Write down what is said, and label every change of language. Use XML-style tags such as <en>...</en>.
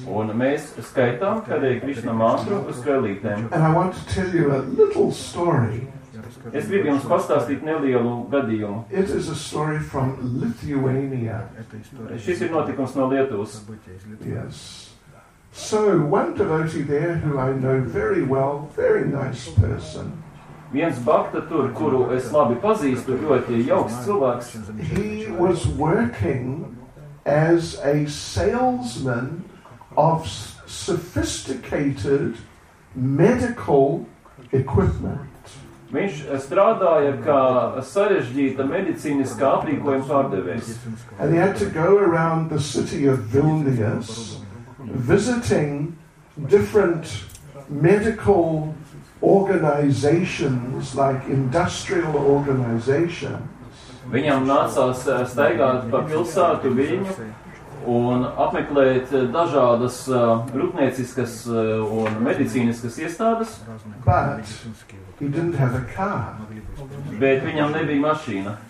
<lv>Un mēs skaitām Hare Krishna mantru uz krelītēm.</lv> <en>And I want to tell you a little story.</en> <lv>Es gribu jums pastāstīt nelielu gadījumu.</lv> <en>It is a story from Lithuania.</en> <lv>Šis ir notikums no Lietuvas.</lv> <en>Yes. So one devotee there who I know very well, very nice person.</en> <lv>Viens bakta tur, kuru es labi pazīstu, ļoti jauks cilvēks.</lv> <en>He was working as a salesman of sophisticated medical equipment.</en> <lv>Viņš strādāja kā sarežģīta medicīniskā aprīkojuma pārdevējs.</lv> <en>And he had to go around the city of Vilnius visiting different medical organizations like industrial organizations.</en> <lv>Viņam nācās staigāt pa pilsētu Viļņu un apmeklēt dažādas rūpnieciskas un medicīniskas iestādes.</lv> <en>But he didn't have a car.</en> <lv>Bet viņam nebija mašīna.</lv>